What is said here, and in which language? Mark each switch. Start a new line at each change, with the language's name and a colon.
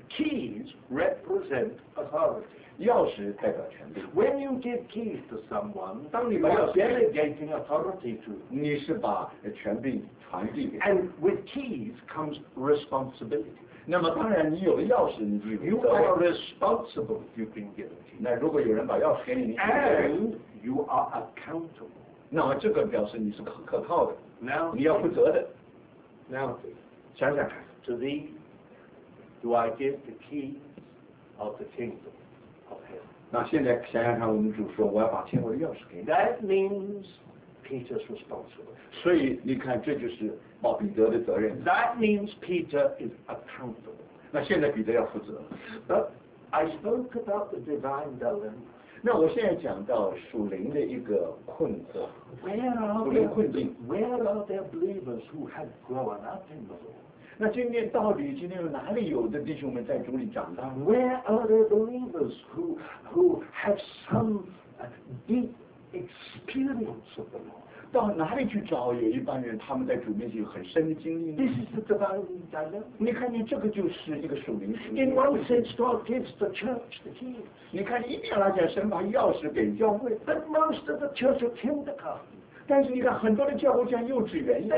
English: ，keys represent authority。
Chinese: 钥匙代表权力。
English: When you give keys to someone,
Chinese: 当你把钥匙
English: delegating authority to，
Chinese: 你是把权力传递给。
English: And with keys comes responsibility。
Chinese: 那么当然，你有了钥匙，你就有责任。
English: You are responsible if you've been given keys。
Chinese: 那如果有人把钥匙给你
English: ，And you are accountable。
Chinese: 那么这个表示你是可靠的
English: ，Now
Chinese: 你要负责的。
English: Now，
Chinese: 想想看。
English: To thee do I give the keys of the kingdom of heaven.
Chinese: 那现在想想看，我们主说我要把天国的钥匙给你。
English: That means Peter's responsibility.
Chinese: 所以你看，这就是保彼得的责任。
English: That means Peter is accountable.
Chinese: 那现在彼得要负责。
English: But I spoke about the divine dilemma.
Chinese: 那我现在讲到属灵的一个困惑。
English: Where are there believers who have grown up in the Lord?
Chinese: 那今天到底今天有哪里有的弟兄们在主里长大
English: ？Where are the believers who have some deep experience of the Lord？
Chinese: 到哪里去找有一帮人他们在主面前有很深的经历呢
English: ？This is the divine dilemma。
Chinese: 你看，你这个就是一个属灵属灵。
English: In one sense, God gives the church the keys。
Chinese: 你看，一面来讲，神把钥匙给教会
English: ，But most of the church of Pentecost。
Chinese: 但是你看，很多的教会像幼稚园一样，